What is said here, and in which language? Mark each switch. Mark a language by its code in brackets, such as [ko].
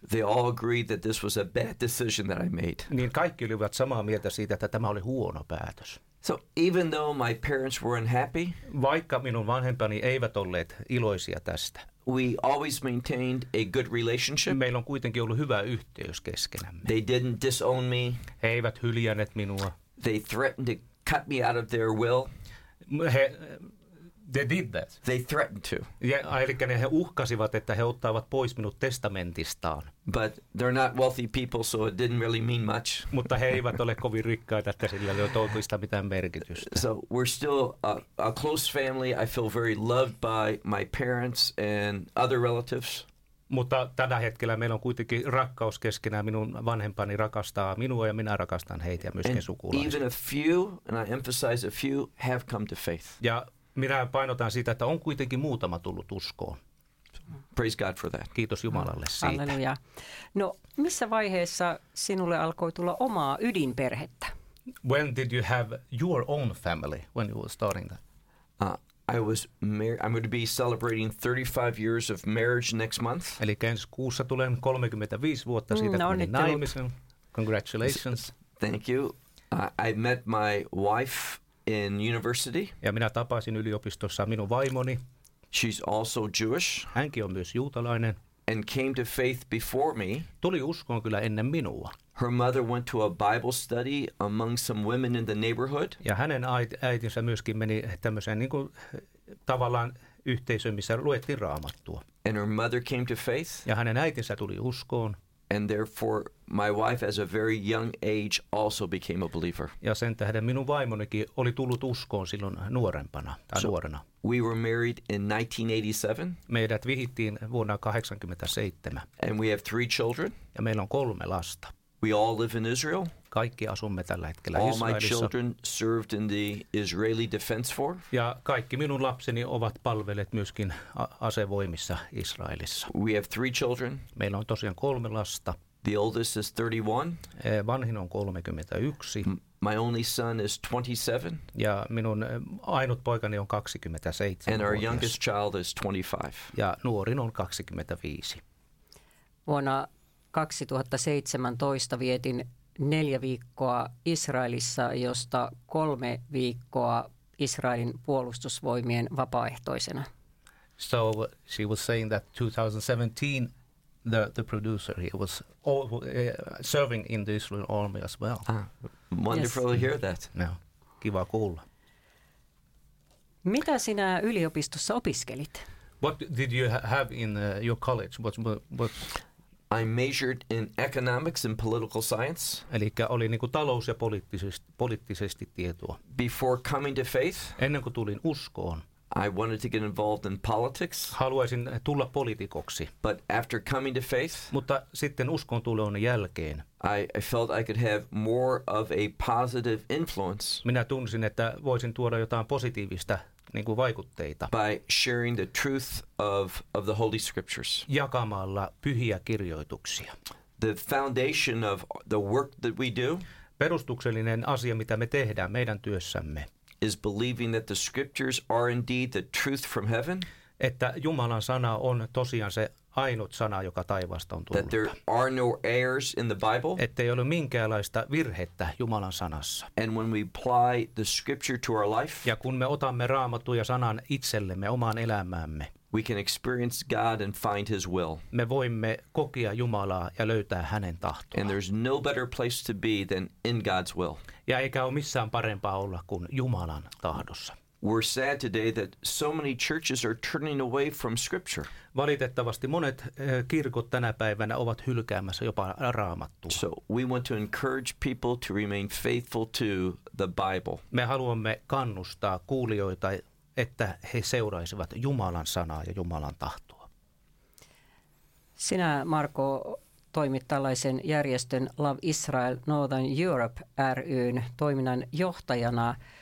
[en] They all agreed that this was a bad decision that I made. [fi] Niin kaikki olivat samaa mieltä siitä, että tämä oli huono päätös. [en] So even though my parents were unhappy. [fi] Vaikka minun vanhempani eivät olleet iloisia tästä. [en] We always maintained a good relationship. [fi] Meillä on kuitenkin ollut hyvä yhteys keskenämme. [en] They didn't disown me. [fi] He eivät hyljänneet minua. [en] They threatened to cut me out of their will. They did that. They threatened to. [fi] Yeah, eli he uhkasivat, että he ottavat pois minut testamentistaan. [en] But they're not wealthy people, so it didn't really mean much. [fi] Mutta he eivät ole kovin rikkaita, että sillä ei ole toivoista mitään merkitystä. [en] So we're still a close family. I feel very loved by my parents and other relatives. [fi] Mutta tällä hetkellä meillä on kuitenkin rakkaus keskenään. Minun vanhempani rakastaa minua ja minä rakastan heitä ja myöskin sukulaisia. [en] Even a few, and I emphasize a few, have come to faith. [fi] Ja minä painotan siitä, että on kuitenkin muutama tullut uskoon. [en] Praise God for that. [fi] Kiitos Jumalalle siitä. Halleluja. No, missä vaiheessa sinulle alkoi tulla omaa ydinperhettä? [en] When did you have your own family when you were starting that? I'm going to be celebrating 35 years of marriage next month. [fi] Eli ensi kuussa tulen 35 vuotta siitä, kun menin naimisen. [en] Congratulations. Thank you. I met my wife in university. [fi] Ja minä tapasin yliopistossa minun vaimoni. [en] She's also Jewish. [fi] Hänkin on myös juutalainen. [en] And came to faith before me. [fi] Tuli uskoon kyllä ennen minua. [en] Her mother went to a Bible study among some women in the neighborhood. [fi] Ja hänen äitinsä myöskin meni tämmöiseen niin kuin tavallaan yhteisöön, missä luettiin Raamattua. [en] And her mother came to faith. [fi] Ja hänen äitinsä tuli uskoon. [en] And therefore my wife as a very young age also became a believer. [fi] Ja sen tähden minun vaimonikin oli tullut uskoon silloin nuorempana tai nuorena. [en] We were married in 1987. [fi] Meidät vihittiin vuonna 1987. [en] And we have three children. [fi] Ja meillä on kolme lasta. [en] We all live in Israel. [fi] Kaikki asumme tällä hetkellä Israelissa. [en] All my children served in the Israeli Defense Force. [fi] Ja kaikki minun lapseni ovat palvelleet myöskin asevoimissa Israelissa. [en] We have three children. [fi] Meillä on tosiaan kolme lasta. [en] The oldest is 31. [fi] Vanhin on 31. [en] My only son is 27. [fi] Ja minun ainut poikani on 27. [en] And our youngest child is 25. [fi] Ja nuorin on 25. Vuonna 2017 vietin 4 viikkoa Israelissa, josta 3 viikkoa Israelin puolustusvoimien vapaaehtoisena. [en] So she was saying that 2017 the producer he was all, serving in the Israel army as well. Ah, wonderful yes. To hear that. [fi] Yeah. Kiva kuulla. Mitä sinä yliopistossa opiskelit? [en] What did you have in your college? What? I majored in economics and political science. [fi] Elikkä oli niinku talous ja poliittisesti tietoa. [en] Before coming to faith? [fi] Ennen kuin tulin uskoon. [en] I wanted to get involved in politics. [fi] Haluaisin tulla poliitikoksi. [en] But after coming to faith? [fi] Mutta sitten uskoon tulon jälkeen. [en] I felt I could have more of a positive influence. [fi] Minä tunsin, että voisin tuoda jotain positiivista. Niinku vaikutteita. [en] By sharing the truth of the Holy Scriptures. [fi] Jakamalla pyhiä kirjoituksia. [en] The foundation of the work that we do. [fi] Perustuksellinen asia, mitä me tehdään meidän työssämme. [en] Is believing that the Scriptures are indeed the truth from heaven. [fi] Että Jumalan sana on tosiaan se ainut sana, joka taivaasta on tullut. [en] That there are no errors in the Bible. [fi] Että ei ole minkäänlaista virhettä Jumalan sanassa. [en] And when we apply the scripture to our life. [fi] Ja kun me otamme Raamattu ja sanan itsellemme omaan elämäämme. [en] We can experience God and find his will. [fi] Me voimme kokea Jumalaa ja löytää hänen tahtoaan. [en] And there's no better place to be than in God's will. [fi] Ja eikä ole missään parempaa olla kuin Jumalan tahdossa. [en] We're sad today that so many churches are turning away from scripture. [fi] Valitettavasti monet kirkot tänä päivänä ovat hylkäämässä jopa Raamattua. [en] So we want to encourage people to remain faithful to the Bible. [fi] Me haluamme kannustaa kuulijoita, että he seuraisivat Jumalan sanaa ja Jumalan tahtoa. Sinä, Marko, toimit tällaisen järjestön Love Israel Northern Europe ry:n toiminnan johtajana.